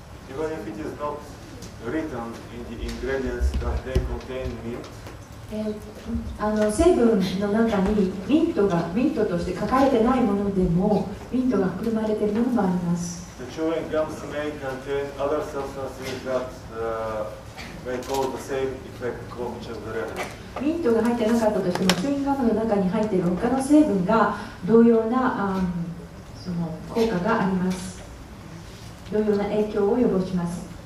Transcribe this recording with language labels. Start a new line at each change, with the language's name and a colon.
English: even if it is not written in the ingredients that they contain mint.
Japanese: 成分の中にミントがミントとして書かれてないものでもミントが含まれているものもあります。
English: The chewing gums may contain other substances that, may cause the same effect called chevrolet.
Japanese: ミントが入ってなかったとしてもチューインガムの中に入っている他の成分が同様な、その効果があります。同様な影響を及ぼします。